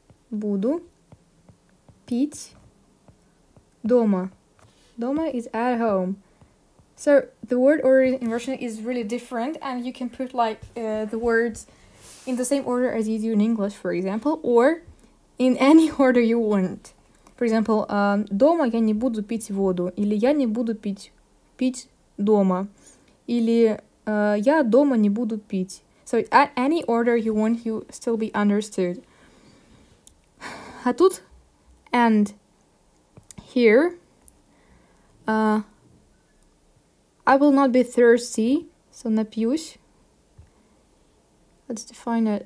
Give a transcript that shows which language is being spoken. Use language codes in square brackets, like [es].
[ru] Буду пить дома. [en] Дома is at home. So the word order in Russian is really different, and you can put like the words in the same order as you do in English, for example, or in any order you want. For example, [ru] дома я не буду пить воду, или я не буду пить дома, или я дома не буду пить. [en] So at any order you want, you still be understood. [ru] А тут [en] and here I will not be thirsty, so напьюсь. Let's define it.